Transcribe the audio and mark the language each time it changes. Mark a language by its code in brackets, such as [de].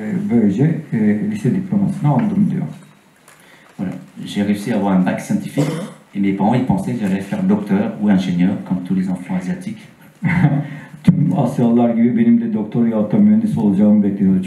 [tr] Böylece lise diplomasını aldım diyor. [fr] Voilà. J'ai réussi à avoir un bac scientifique et mes parents ils pensaient que j'allais faire docteur ou ingénieur comme tous les enfants asiatiques. [tr] Tüm Asyalılar gibi benim de doktor ya da mühendis olacağımı bekliyordu.